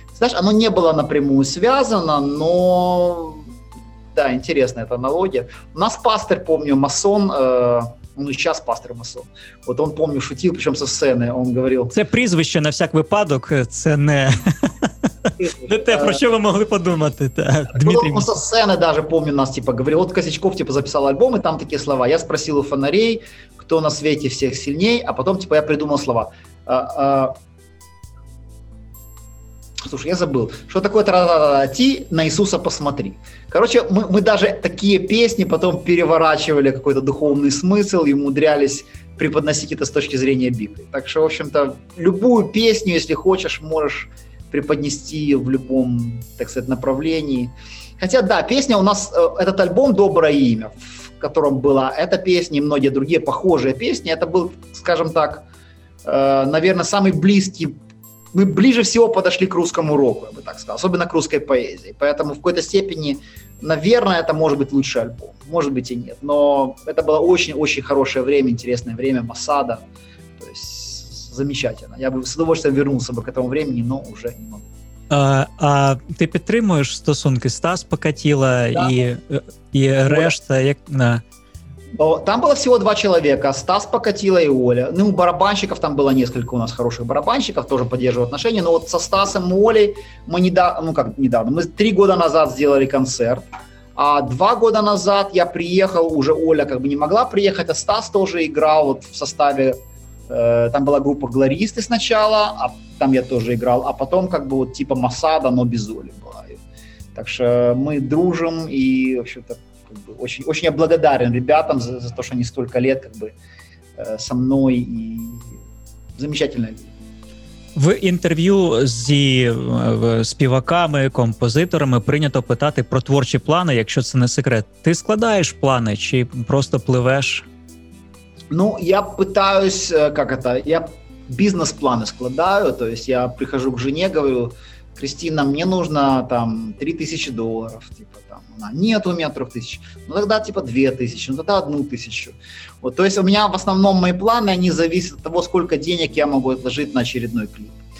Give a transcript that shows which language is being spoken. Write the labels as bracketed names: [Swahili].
[Russian] Знаешь, оно не было напрямую связано, но... Да, интересная эта аналогия. У нас пастор, помню, масон, ну, сейчас пастор-масон, вот он, помню, шутил, причем со сцены, он говорил... [Ukrainian] Это прізвище на всяк випадок, це не... Не те, про що ви могли подумати, Дмитрий. [Russian] Ну, со сцены даже, помню, нас, типа, говорил, вот Косячков, типа, записал альбом, и там такие слова. «Я спросил у фонарей, кто на свете всех сильней», а потом, типа, я придумал слова. Слушай, я забыл, что такое «Ти на Иисуса посмотри». Короче, мы даже такие песни потом переворачивали какой-то духовный смысл и умудрялись преподносить это с точки зрения Библии. Так что, в общем-то, любую песню, если хочешь, можешь преподнести в любом, так сказать, направлении. Хотя, да, песня у нас, этот альбом «Доброе имя», в котором была эта песня и многие другие похожие песни, это был, скажем так, наверное, самый близкий, мы ближе всего подошли к русскому року, я бы так сказал, особенно к русской поэзии. Поэтому в какой-то степени, наверное, это может быть лучший альбом, может быть и нет. Но это было очень-очень хорошее время, интересное время, Масада, то есть замечательно. Я бы с удовольствием вернулся бы к этому времени, но уже не могу. [Ukrainian] А ти підтримуєш стосунки Стас Покатіла, да. і решта, як на... [Russian] Там было всего два человека, Стас Покатило и Оля. Ну, барабанщиков там было несколько у нас хороших барабанщиков, тоже поддерживают отношения. Но вот со Стасом и Олей мы недавно, ну как недавно, мы 3 года назад сделали концерт. А 2 года назад я приехал, уже Оля как бы не могла приехать, а Стас тоже играл вот в составе, там была группа «Глористы» сначала, а там я тоже играл, а потом как бы вот типа «Масада», но без Оли была. Так что мы дружим и, в общем-то, очень, очень я благодарен ребятам за то, что они столько лет как бы со мной и замечательно. [Ukrainian] В интервью зі співаками, композиторами прийнято питати про творчі плани, якщо це не секрет. Ти складаєш плани чи просто пливеш? [Russian] Ну, я пытаюсь, как это, я бизнес-планы складаю, то есть я прихожу к жене, говорю: «Кристина, мне нужно там $3000, типа, там, она: нет, у меня 3000, ну тогда типа 2000, ну тогда 1000. Вот, то есть у меня в основном мои планы, они зависят от того, сколько денег я могу отложить на очередной клип.